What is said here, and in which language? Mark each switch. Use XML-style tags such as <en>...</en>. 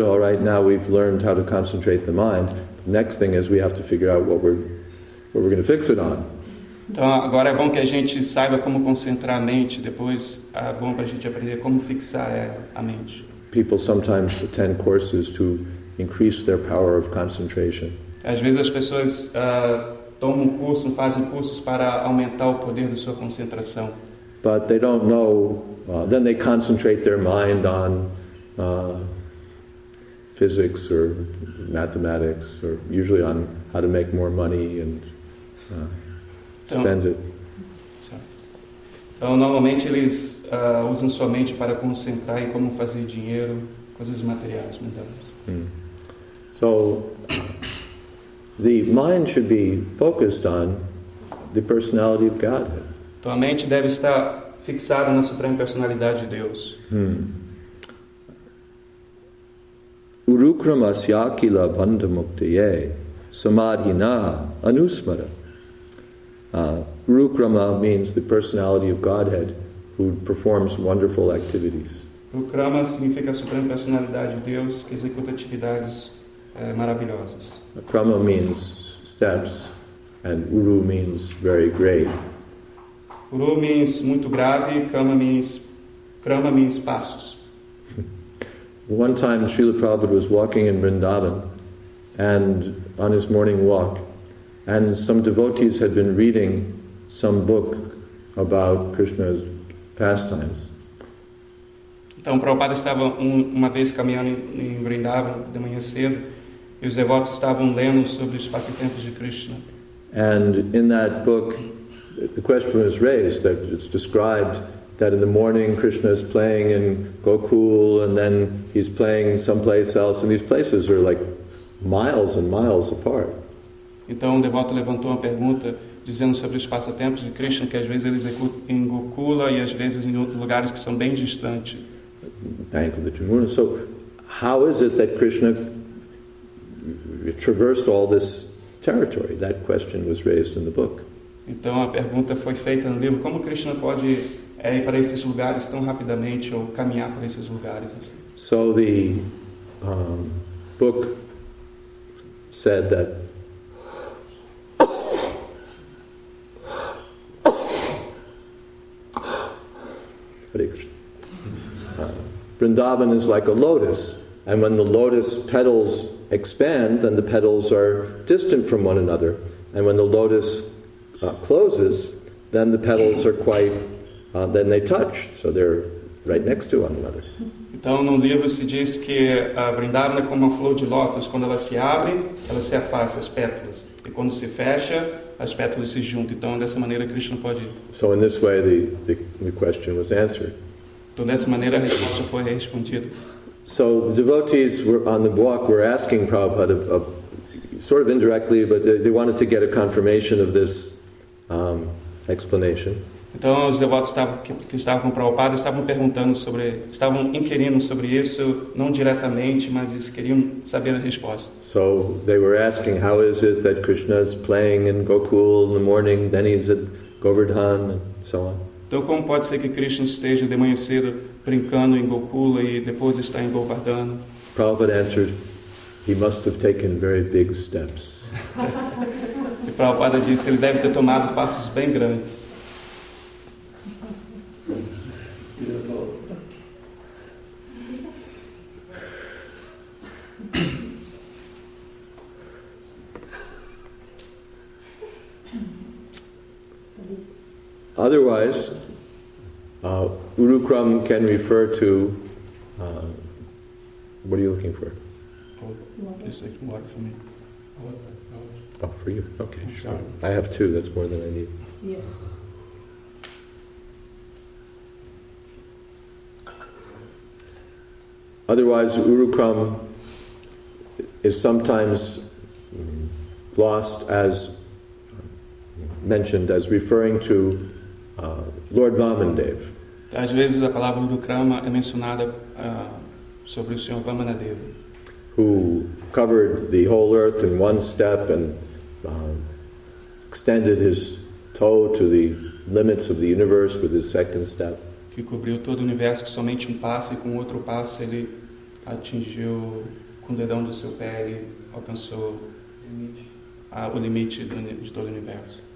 <en>All right, now we've learned how to concentrate the mind. Next thing is we have to figure out what we're going to fix it on.</en> <pt>Então agora é bom que a gente saiba como concentrar a mente. Depois é bom para a gente aprender como fixar a mente.</pt> <en>People sometimes attend courses to increase their power of concentration.</en> <pt>Às vezes as pessoas tomam curso, fazem cursos para aumentar o poder da sua concentração.</pt> <en>But they don't know. Then they concentrate their mind on physics or mathematics, or usually on how to make more money and spend it.</en> <pt>Então, normalmente eles usam sua mente para concentrar em como fazer dinheiro, coisas materiais, mentais.</pt> <en>So, the mind should be focused on the personality of Godhead.</en> <pt>Então, a mente deve estar fixada na suprema personalidade de Deus.</pt> <sa>Urukramasyakila bandhamuktaye samadhina anusmara.</sa> <en>Urukrama means the personality of Godhead who performs wonderful activities.</en> <pt>Urukrama significa a suprema personalidade de Deus que executa atividades maravilhosas.</pt> <en>Krama means steps, and Uru means very great.</en> <pt>Uru means muito grave, krama means passos.</pt> <en>One time Srila Prabhupada was walking in Vrindavan, and on his morning walk, and some devotees had been reading some book about Krishna's pastimes.</en> <pt>Então Prabhupada estava uma vez caminhando em Vrindavan de manhã cedo, e os devotos estavam lendo sobre os passatempos de Krishna.</pt> <en>And in that book, the question was raised that it's described that in the morning Krishna is playing in Gokul, and then he's playing someplace else, and these places are like miles and miles apart.</en> <pt>Então um devoto levantou uma pergunta dizendo sobre os passatempos de Krishna, que às vezes ele executa em Gokula e às vezes em outros lugares que são bem distantes.</pt> <en>Bank of the Jamuna. So, how is it that Krishna traversed all this territory? That question was raised in the book.</en> <pt>Então a pergunta foi feita no livro. Como Krishna pode ir para esses lugares tão rapidamente ou caminhar por esses lugares?</pt> <en>So the book said that. Vrindavan is like a lotus, and when the lotus petals expand, then the petals are distant from one another, and when the lotus closes, then the petals are quite, then they touch, so they're right next to one another.</en> <pt>Então, no livro se diz que a Vrindavan é como uma flor de lótus. Quando ela se abre, ela se afasta, as pétalas. E quando se fecha, as pétalas se juntam. Então, dessa maneira, Krishna pode...</pt> <en>So, in this way, the question was answered.</en> <pt>Então, dessa maneira, a resposta foi respondida.</pt> <en>So, the devotees were on the walk were asking Prabhupada, sort of indirectly, but they wanted to get a confirmation of this explanation.</en> <pt>Então, os devotos que estavam com o Prabhupada estavam perguntando sobre, estavam inquirindo sobre isso, não diretamente, mas eles queriam saber a resposta.</pt> <en>So, they were asking, how is it that Krishna is playing in Gokul in the morning, then he's at Govardhan, and so on.</en> <pt>Então, como pode ser que Krishna esteja de manhã cedo brincando em Gokul e depois está em Govardhan?</pt> <en>Prabhupada answered, he must have taken very big steps.</en> <pt>E Prabhupada disse, ele deve ter tomado passos bem grandes.</pt> <en>Otherwise, Urukram can refer to what are you looking for? Water. Oh, for you. Okay, sure. Sorry. I have two. That's more than I need. Yes. Otherwise, Urukram is sometimes lost as mentioned as referring to Lord Vamanadeva.</en> <pt>Às vezes a palavra Urukrama é mencionada sobre o Senhor Vamanadeva,</pt> <en>who covered the whole earth in one step and extended his toe to the limits of the universe with his second step.</en> <pt>Que que cobriu todo o universo, que somente um passo, e com outro passo ele atingiu com o dedão do seu pé e alcançou o limite de todo o universo.</pt>